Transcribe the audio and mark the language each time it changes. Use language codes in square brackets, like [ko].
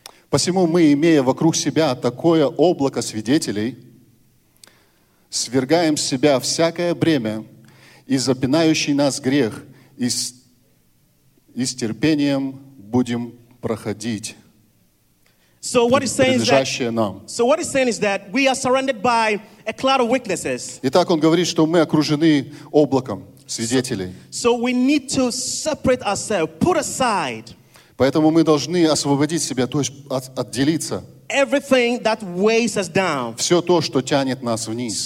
[ru] Посему мы, имея вокруг себя такое облако свидетелей, свергаем с себя всякое бремя и запинающий нас грех, и с терпением будем проходить. [en] So what he's saying is that. [ru] Нам. [en] So what he's saying is that we are surrounded by a cloud of witnesses. [ru] Итак, он говорит, что мы окружены облаком. Свидетелей. [en] So we need to separate ourselves, put aside. [ru] Поэтому мы должны освободить себя, то есть отделиться. [en] Everything that weighs us down. [ru] Все то, что тянет нас вниз.